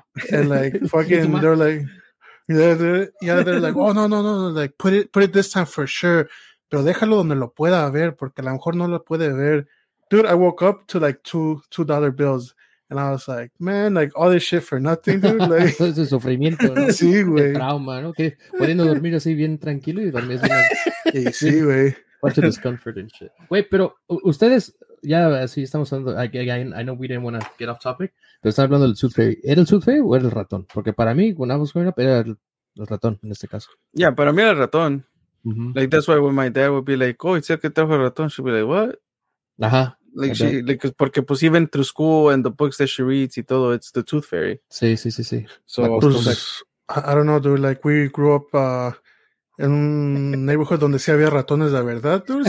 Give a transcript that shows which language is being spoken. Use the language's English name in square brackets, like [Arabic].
[English] And, like, fucking, they're like... Yeah, they're like, oh, no, like, put it this time for sure, [Spanish] pero déjalo donde lo pueda ver, porque a lo mejor no lo puede ver. [English] Dude, I woke up to, like, $2 bills, and I was like, man, like, all this shit for nothing, dude. Like, [Spanish] es el sufrimiento, ¿no? Sí, güey. El trauma, ¿no? Que pudiendo dormir así bien tranquilo y dormir bien. Sí, güey. [English] Bunch of discomfort and shit. [Spanish] Güey, pero ustedes, ya, así estamos hablando, [English] I know we didn't want to get off topic, [Spanish] pero están hablando del [English] tooth fairy. [Spanish] ¿Era el tooth fairy o era el ratón? Porque para mí, [English] when I was growing up, [Spanish] era el ratón en este caso. Ya, yeah, para mí era el ratón. Mm-hmm. [English] Like, that's why when my dad would be like, oh, it's [Spanish] el que trajo el ratón, [English] she'd be like, what? Ajá. Like, she, then, like, [Spanish] porque pues [English] even through school and the books that she reads [Spanish] y todo, [English] it's the tooth fairy. [Spanish] Sí. [English] So, I don't know, dude, like, we grew up... [Spanish] en un neighborhood donde sí había ratones de verdad, dude.